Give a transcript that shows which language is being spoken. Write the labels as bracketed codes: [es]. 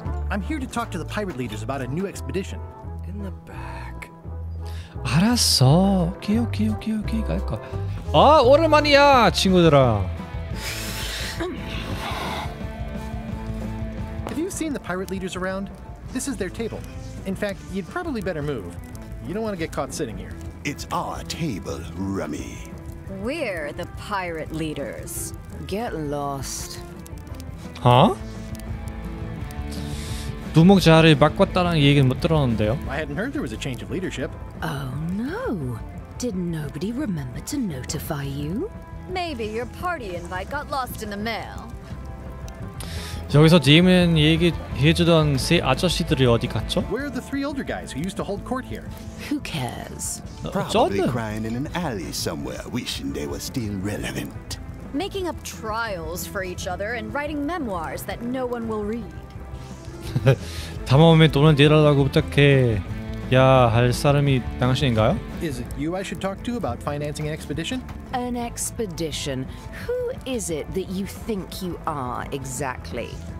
[en] I'm here to talk to the pirate leaders about a new expedition. In the back. [ko] 알았어. 오케이, 오케이, 오케이, 오케이. 갈까? 아, 오랜만이야, 친구들아. [en] Have you seen the pirate leaders around? This is their table. In fact, you'd probably better move. You don't want to get caught sitting here. It's our table, Rummy. We're the pirate leaders. Get lost. 어? [ko] 두목 자리 바꿨다는 얘기는 못 들었는데요. [en] I hadn't heard there was a change of leadership. Oh no. Did nobody remember to notify you? Maybe your party invite got lost in the mail. [ko] 여기서 DM은 얘기해주던 세 아저씨들이 어디 갔죠? [en] Where are the three older guys who used to hold court here? Who cares? Probably crying in an alley somewhere, wishing they were still relevant. Making up trials for each other and writing memoirs that no one will read. [ko] 담험에 돈을 내달라고 부탁해야 할 사람이 당신인가요? [en] Is it you I should talk to about financing an expedition? An expedition? Who is it that you think you are exactly?